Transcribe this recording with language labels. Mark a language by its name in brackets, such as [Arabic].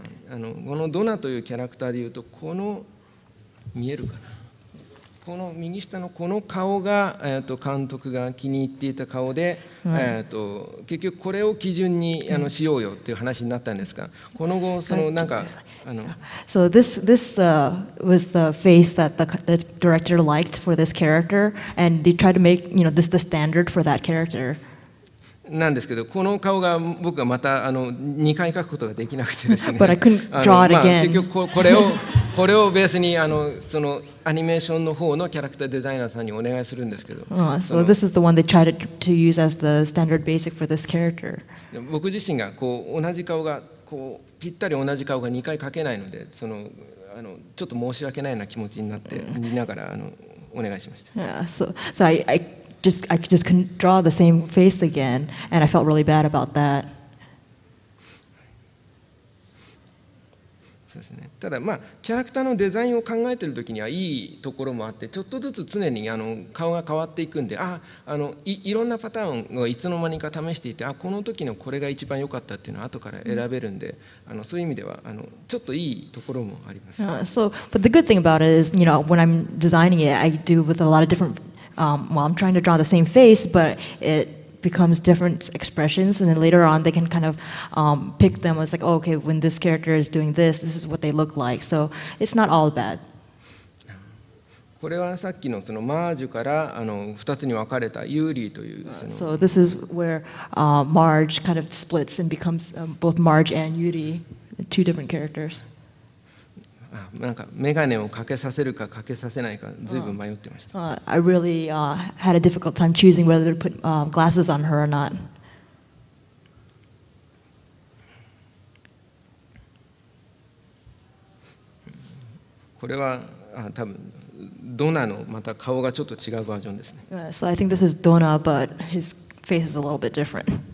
[Japanese] あのこのドナというキャラクターでいうと、この見えるかな。この右下のこの顔が、監督が気に入っていた顔で、結局これを基準にあのしようよっていう話になったんですが、この後そのなんかあの、 [English] So this was the face that the director liked for this character, and they tried to make you know this the standard for that character. [Japanese] なんですけど、この顔が僕がまたあの2回描くことができなくてですね。 [English] But I couldn't draw it again. [Japanese] 結局これをベースにあのそのアニメーションの方のキャラクターデザイナーさんにお願いするんですけど。 [English] So this is the one they tried to use as the standard basic for this character. [Japanese] 僕自身がこう同じ顔がこうぴったり同じ顔が2回描けないので、そのあのちょっと申し訳ないような気持ちになって見ながらあのお願いしました。 [English] I just couldn't draw the same face again, and I felt really bad about that. [Japanese] そうですね。ただ、まあ、キャラクターのデザインを考えているときにはいいところもあって、ちょっとずつ常にあの顔が変わっていくんで、いろんなパターンをいつの間にか試していて、この時のこれが一番良かったっていうのは後から選べるんで、mm-hmm. そういう意味ではちょっといいところもあります。 [English] So, but the good thing about it is, you know, when I'm designing it, I do with a lot of different... well, I'm trying to draw the same face, but it becomes different expressions, and then later on, they can kind of pick them. It's like, oh, okay, when this character is doing this, this is what they look like. So it's not all bad. [Japanese] これはさっきのそのマージュからあの2つに分かれたユーリーというその。 [English] So this is where Marge kind of splits and becomes both Marge and Yuri, two different characters. [Japanese] なんかメガネをかけさせるかかけさせないかずいぶん迷ってました。 [English] I really had a difficult time choosing whether to put glasses on her or not. [Japanese] これは多分ドナのまた顔がちょっと違うバージョンですね。 [English] So I think this is Donna, but his face is a little bit different.